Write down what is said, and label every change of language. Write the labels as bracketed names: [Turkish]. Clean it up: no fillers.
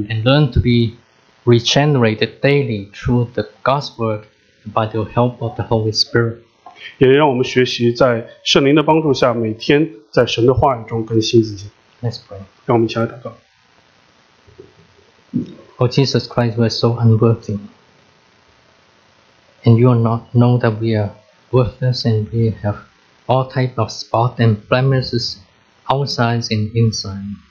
[English] And learn to be regenerated daily through the God's word by the help of the Holy Spirit. [Chinese] 也让我们学习在圣灵的帮助下，每天在神的话语中更新自己。 [English] Let's pray. [Chinese] 让我们一起来祷告。 [English] Oh Jesus Christ, we are so unworthy, and you not know that we are worthless, and we have all types of spots and blemishes, outside and inside.